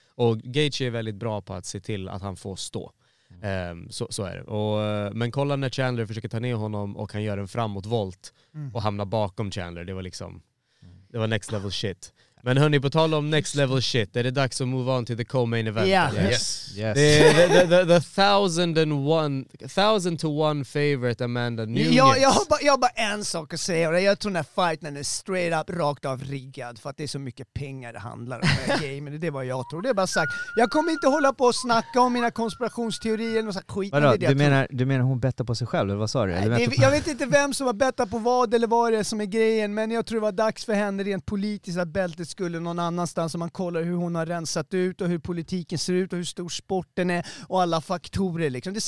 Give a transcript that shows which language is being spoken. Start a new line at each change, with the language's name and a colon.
Swedish: Och Gaethje är väldigt bra på att se till att han får stå. Så är det. Men kolla när Chandler försöker ta ner honom och han gör en framåtvolt och hamnar bakom Chandler. Det var liksom, det var
English: next level shit.
Swedish: Men hörni, på tal om next level shit, är det dags att move on till
English: the co-main event? Yeah. Yes. Yes. The thousand and one, thousand to one favorite Amanda Nunes.
Swedish: Jag har bara en sak att säga. Och jag tror den här fighten är
English: straight up
Swedish: rakt av riggad för att det är så mycket pengar det handlar om i gamen. Det är vad jag tror. Det är bara sagt. Jag kommer inte hålla på och snacka om mina konspirationsteorier och så skit. Vadå, du menar hon bettar på sig själv? Eller vad sa du? Jag vet inte vem som har bettat på vad eller vad det är som är grejen, men jag tror det var dags för henne rent politiskt att bälta skulle någon annanstans, om man kollar hur hon har rensat ut och hur politiken ser ut och hur stor sporten är och alla faktorer liksom.